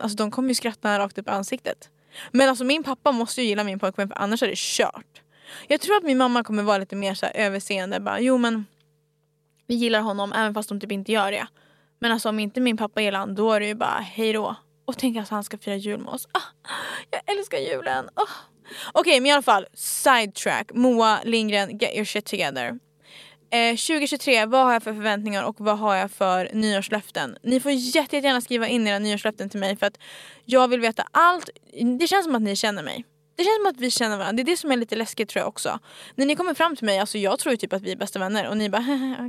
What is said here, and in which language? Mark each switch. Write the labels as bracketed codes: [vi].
[sv] Alltså de kommer ju skratta rakt upp i ansiktet. Men alltså min pappa måste ju gilla min pojkvän för annars är det kört. Jag tror att min mamma kommer vara lite mer så här överseende. Bara, jo men vi gillar honom även fast de typ inte gör det. Men alltså om inte min pappa gillar honom då är det ju bara hej då. Och tänk att han ska fira jul med oss. Ah, jag älskar julen. Ah. Okej, men i alla fall. Sidetrack. [en] Moa Lindgren, get your shit together. [sv] 2023, vad har jag för förväntningar och vad har jag för nyårslöften? Ni får jättegärna skriva in era nyårslöften till mig för att jag vill veta allt. Det känns som att ni känner mig. Det känns som att vi känner varandra. Det är det som är lite läskigt tror jag också. När ni kommer fram till mig, alltså jag tror ju typ att vi är bästa vänner. Och ni bara, okej.